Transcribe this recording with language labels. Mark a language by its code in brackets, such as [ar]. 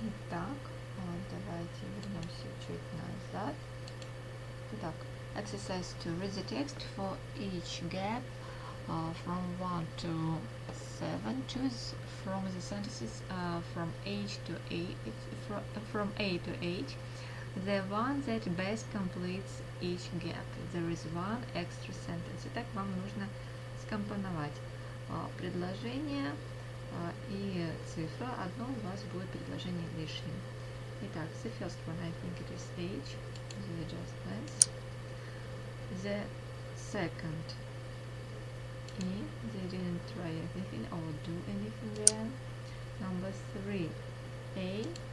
[ru] Итак, давайте вернемся чуть назад. Итак, [en] exercise 2. Read the text for each gap from 1 to 7. Choose from the sentences from H to A, from A to H, the one that best completes each gap. There is one extra sentence. [ru] Итак, вам нужно скомпоновать предложение и цифра. Одно у вас будет предложение лишним. Итак, [en] the first one, I think it is H. The adjustments. The second. E. They didn't try anything or do anything there. Number three. A.